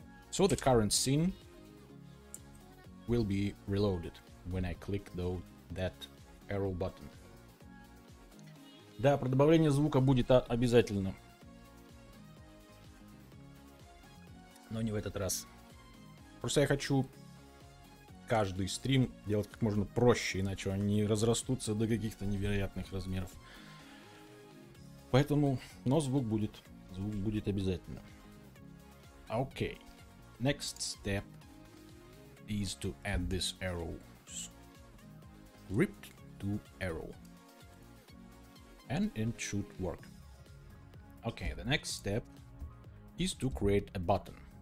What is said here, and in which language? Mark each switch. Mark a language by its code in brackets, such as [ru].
[en] So the current scene will be reloaded when I click though that arrow button. [ru] Да, про добавление звука будет обязательно. Но не в этот раз. Просто я хочу каждый стрим делать как можно проще, иначе они разрастутся до каких-то невероятных размеров. Поэтому, но звук будет. Звук будет обязательно. Окей. [en] Next step is to add this arrow script to arrow. And it should work. Okay, the next step is to create a button.